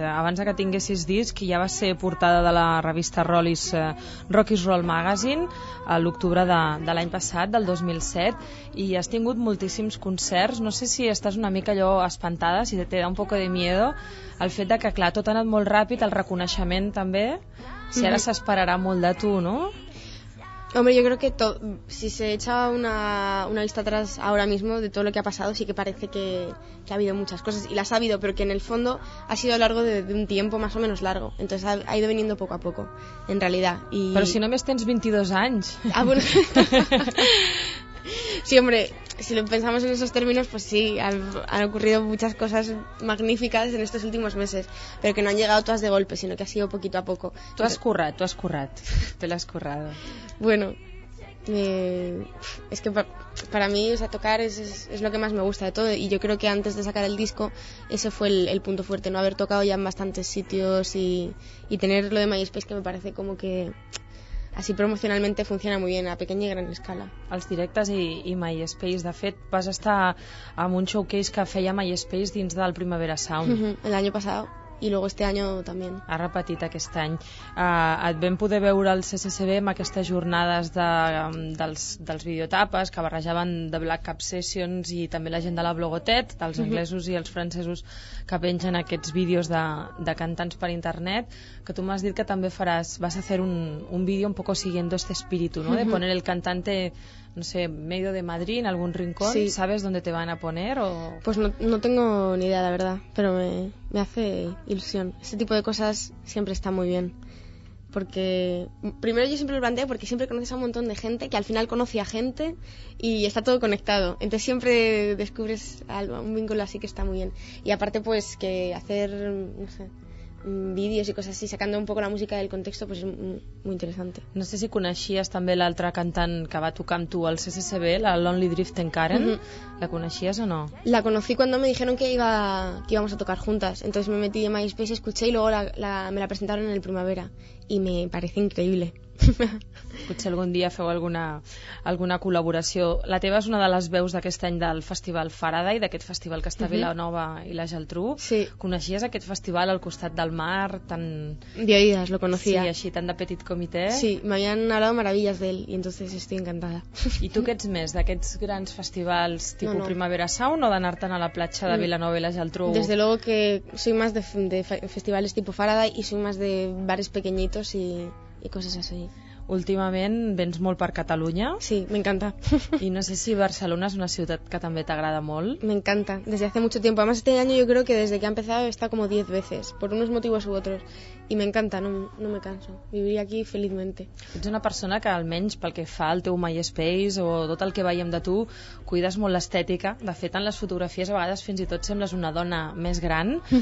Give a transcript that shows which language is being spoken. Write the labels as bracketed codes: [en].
[ca] Abans que tinguessis disc, ja va ser portada de la revista Rockies Roll Magazine a l'octubre de l'any passat, del 2007, i has tingut moltíssims concerts. No sé si estàs una mica allò espantada, [es] si te da un poco de miedo, [ca] el fet de que, clar, tot ha anat molt ràpid, el reconeixement també... Si ara s'esperarà molt de tu, no? [es] Hombre, yo creo que si se echa una vista atrás ahora mismo de todo lo que ha pasado, sí que parece que ha habido muchas cosas, y las ha habido, pero que en el fondo ha sido a lo largo de un tiempo más o menos largo, entonces ha ido viniendo poco a poco, en realidad. Y... [ca] Pero si només tens 22 anys. Ah, bueno. [es] Sí, hombre, si lo pensamos en esos términos, pues sí, han ocurrido muchas cosas magníficas en estos últimos meses, pero que no han llegado todas de golpe, sino que ha sido poquito a poco. Tú has currat, tú has currat, te lo has currado. Bueno, es que para mí, o sea, tocar es lo que más me gusta de todo, y yo creo que antes de sacar el disco, ese fue el punto fuerte, no haber tocado ya en bastantes sitios y tener lo de MySpace, que me parece como que... [ca] Així promocionalment funciona molt bé, a pequeña i gran escala. Els directes i MySpace. De fet, vas estar en un showcase que feia MySpace dins del Primavera Sound. [es] El año pasado, y luego este año también. [ca] Ha repetit aquest any. Et vam poder veure al CCCB amb aquestes jornades dels videotapes que barrejaven The Black Cup Sessions i també la gent de la Blogotet, dels anglesos i els francesos que pengen aquests vídeos de cantants per internet, que tu m'has dit que també vas a fer un vídeo [es] un poco siguiendo este espíritu, ¿no? De poner el cantante... No sé, medio de Madrid, en algún rincón, sí. ¿Sabes dónde te van a poner? O... Pues no tengo ni idea, la verdad, pero me hace ilusión. Este tipo de cosas siempre está muy bien. Porque, primero yo siempre lo planteo porque siempre conoces a un montón de gente que al final conoce a gente y está todo conectado. Entonces siempre descubres algo, un vínculo así que está muy bien. Y aparte, pues, que hacer, no sé... [ca] vídeos i coses així, sacant un poc la música del context, pues, és molt interessant. No sé si coneixies també l'altra cantant que va tocar amb tu al CCCB, la Lonely Drifting Karen, la coneixies o no? [es] La conocí cuando me dijeron que íbamos a tocar juntas, entonces me metí en MySpace, escuché y luego me la presentaron en el Primavera, y me parece increíble. [ca] Potser algun dia feu alguna col·laboració. La teva és una de les veus d'aquest any del Festival Faraday, d'aquest festival que està a Vilanova i la Geltrú. Sí. Coneixies aquest festival al costat del mar? Tan... [es] De oídas, lo conocía. [ca] Sí, així, tan de petit comitè. [es] Sí, m'havien hablado maravillas d'ell, y entonces estoy encantada. [ca] I tu què ets més, d'aquests grans festivals tipus no. Primavera Sound o d'anar-te'n a la platja de Vilanova i la Geltrú? [es] Desde luego que soy más de [ca] festivals tipus [es] Faraday y soy más de bares pequeñitos y cosas así. [ca] Últimament vens molt per Catalunya. Sí, m'encanta. I no sé si Barcelona és una ciutat que també t'agrada molt. M'encanta, [es] desde hace mucho tiempo. Además, este año yo creo que desde que ha empezado he estado como 10 veces, por unos motivos u otros. Y m'encanta, no me canso. Viviría aquí felizmente. [ca] Ets una persona que almenys pel que fa al teu MySpace o tot el que veiem de tu, cuides molt l'estètica. De fet, en les fotografies a vegades fins i tot sembles una dona més gran.